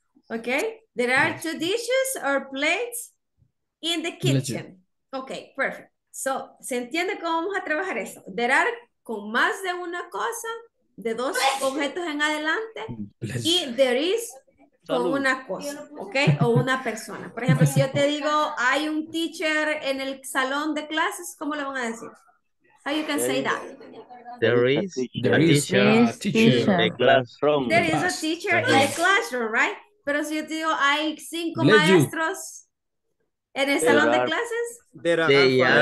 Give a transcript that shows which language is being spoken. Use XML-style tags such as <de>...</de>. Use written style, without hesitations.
<en>Okay, there are two dishes or plates in the kitchen. Okay, perfect.</en> <es>So, ¿se entiende cómo vamos a trabajar eso?</es> <en>There are</en> <es>con más de una cosa, de dos objetos en adelante, y</es> <en>there is</en> <es>con una cosa, okay, o una persona. Por ejemplo, si yo te digo, hay un teacher en el salón de clases, ¿cómo le van a decir?</es> <en>How you can say that? There is a teacher in the classroom, right?</en> <es>Pero si yo te digo, hay cinco maestros en el salón de clases.</es>